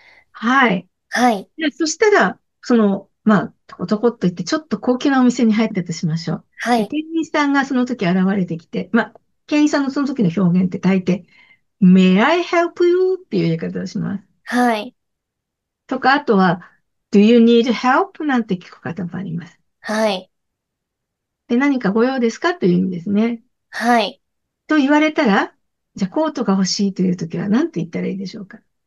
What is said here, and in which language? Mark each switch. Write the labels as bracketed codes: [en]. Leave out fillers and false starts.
[ja] はい。そしたら、まあ、男と言って、ちょっと高級なお店に入ったとしましょう。で、店員さんがその時現れてきて、まあ、店員さんのその時の表現って大抵、 [en] May I help you? [ja] っていう言い方をします。とか、あとは、 [en] Do you need help? [ja] なんて聞く方もあります。で、何かご用ですか？という意味ですね。と言われたら、じゃコートが欲しいという時は何て言ったらいいでしょうか？